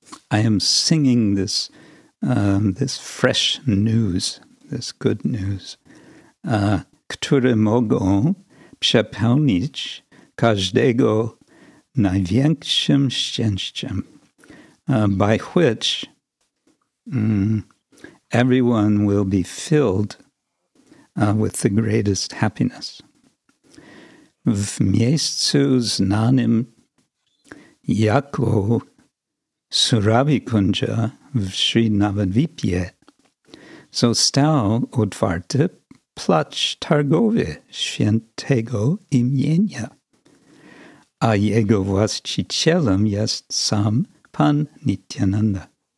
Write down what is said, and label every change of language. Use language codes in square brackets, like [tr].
[en] I am singing this this fresh news, this good news, [pl] które mogą przepełnić każdego największym szczęściem. [en] By which everyone will be filled with the greatest happiness. [pl] W miejscu znanym jako Surabikunja w Sri Navadvipie został otwarty placz targowy świętego imienia, a jego właścicielem jest sam Pan Nityananda.